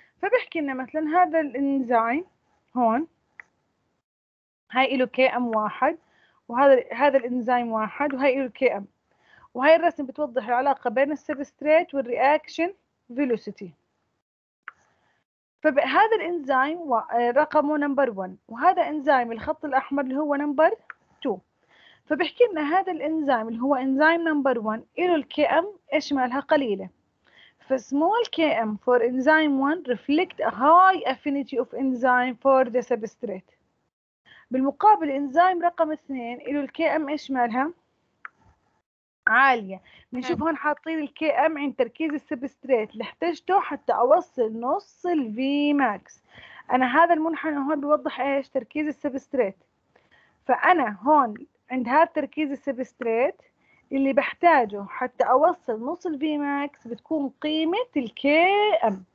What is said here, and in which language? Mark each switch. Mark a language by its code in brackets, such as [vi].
[ar] فبحكي إنه مثلاً هذا الإنزيم هون هاي إله KM واحد، وهذا الإنزيم واحد وهاي إله KM، وهاي الرسم بتوضح العلاقة بين السبستريت والرياكشن velocity. فهذا الإنزيم رقمه نمبر 1 وهذا إنزيم الخط الأحمر اللي هو نمبر 2. فبحكي لنا هذا الإنزيم اللي هو إنزيم نمبر 1 إله الKM إيش مالها؟ قليلة. [en] فsmall KM for enzyme 1 reflect a high affinity of enzyme for the substrate. [ar] بالمقابل إنزيم رقم 2 إله الKM إيش مالها؟ عالية. بنشوف هون حاطين الـ KM عند تركيز السبستريت اللي احتاجته حتى أوصل نص الـ Vmax. أنا هذا المنحنى هون بيوضح إيش؟ تركيز السبستريت. فأنا هون عند هذا تركيز السبستريت اللي بحتاجه حتى أوصل نص الـ Vmax بتكون قيمة الـ KM.